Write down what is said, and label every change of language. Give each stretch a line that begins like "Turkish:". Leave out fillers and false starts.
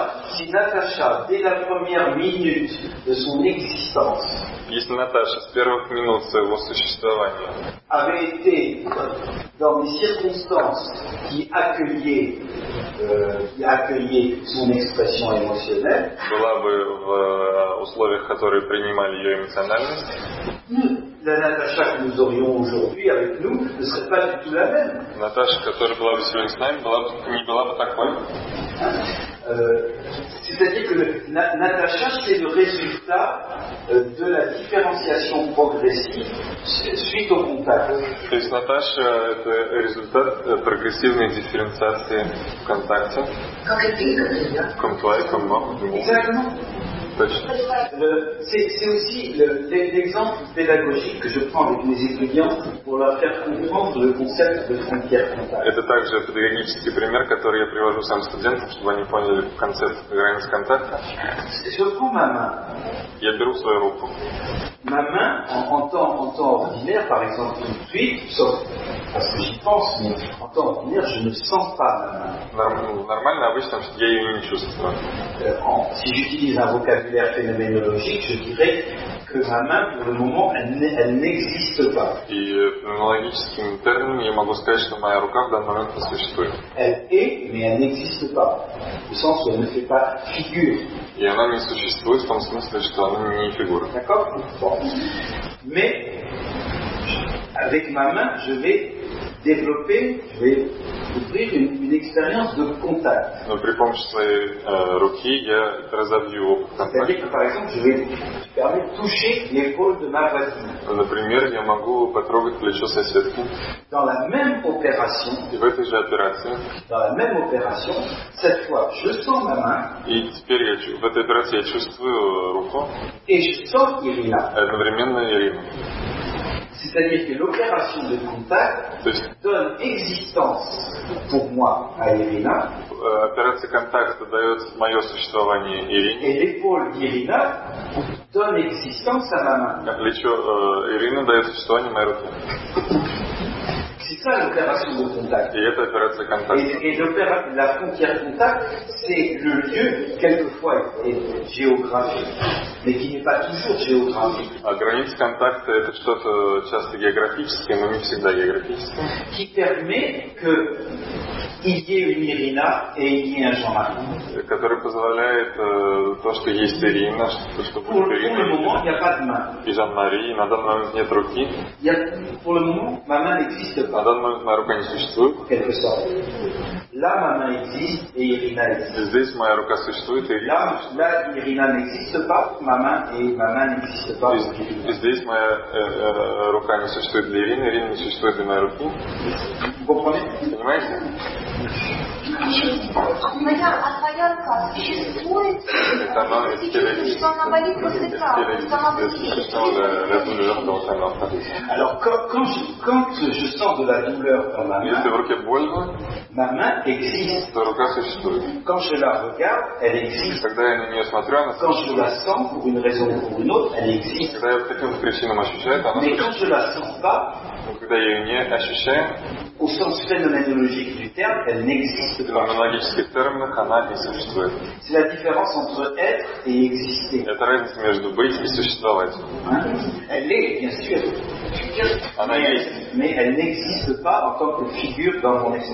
French: Si Natacha, dès la première minute de son existence,
Russian: если Наташа с первых минут своего существования
French: avait été dans des circonstances qui accueillaient son expression émotionnelle,
Russian: была бы в условиях, которые принимали ее эмоциональность,
French: la Natacha que nous aurions aujourd'hui avec nous ne serait pas du tout la même.
Russian: Наташа, которая была бы сегодня с нами, не была бы такой.
French: C'est-à-dire que Natacha, c'est le résultat de la différenciation progressive suite au contact.
Russian: То есть Наташа — это результат прогрессивной дифференциации в контакте. Как это, да?
French: Comme toi, comme moi. Exactement. C'est aussi l'exemple pédagogique que je prends avec mes étudiants pour leur faire comprendre le concept de frontière frontale.
Russian: Это также педагогический пример, который я привожу сам студентам, чтобы они поняли концепт границ контакта.
French: Je prends ma main.
Russian: Я беру свою руку.
French: Ma main, en temps ordinaire, par exemple, une truite, sauf parce que j'y pense, mais en temps ordinaire, je ne sens pas ma main.
Russian: Нормально, обычно, я ее не чувствую.
French: Si j'utilise un vocabulaire phénoménologique, je dirais que ma main, pour le moment, elle n'existe pas.
Russian: И phénoménologическим термином я могу сказать, что моя рука в данный момент не существует.
French: Elle est, mais elle n'existe pas. Au sens où elle ne fait pas figure.
Russian: И она не существует в том смысле, что она не фигура.
French: D'accord? Bon. Mais avec ma main, je vais développer, je vais ouvrir une expérience de contact.
Russian: Но при помощи своей руки я разобью контакт.
French: C'est-à-dire que, par exemple, je vais permettre de toucher l'épaule de ma voisine.
Russian: Например, я могу потрогать плечо соседки.
French: Dans la même opération.
Russian: И в этой же операции.
French: Dans la même opération, cette fois, je sens ma main.
Russian: И теперь в этой операции я чувствую руку.
French: Et je sens Ирина.
Russian: Одновременно Ирина.
French: C'est-à-dire que l'opération de contact donne existence pour moi à Irina.
Russian: Операция контакта дает мое существование Ирине.
French: Et l'épaule d'Irina donne existence à ma main.
Russian: А плечо Ирины дает существование моей руке.
French: C'est ça l'opération de contact.
Russian: Et это операция контакта.
French: Et la frontière contact, c'est le lieu quelquefois est géographique, mais qui n'est pas toujours géographique.
Russian: А граница контакта это что-то часто географическое, но не всегда географическое.
French: Qui permet que il y ait une Ирина et il y ait un Jean-Marc.
Russian: Который позволяет то, что есть Ирина, что будет Ирина.
French: Pour le moment, il n'y a pas de main.
Russian: И Жан-Мари, на данный момент нет руки.
French: Pour le moment, ma main n'existe pas.
Russian: На данный момент моя рука не существует.
French: Quelque sorte. Là, ma main existe et Ирина existe.
Russian: Здесь моя рука существует, Ирина.
French: Là, Ирина n'existe pas, ma main n'existe pas.
Russian: Здесь моя рука не существует для Ирины, Ирина не существует для моей руки. Вы понимаете? Понимаете? Моя отвоянка существует,
French: Au sens phénoménologique du terme, elle n'existe pas. Dans l'analogique terme,
Russian: она не существует.
French: C'est la différence entre être et exister.
Russian: Это разница между быть и существовать.
French: Elle est, bien sûr.
Russian: Она есть.
French: Mais elle n'existe pas en tant que figure dans mon esprit.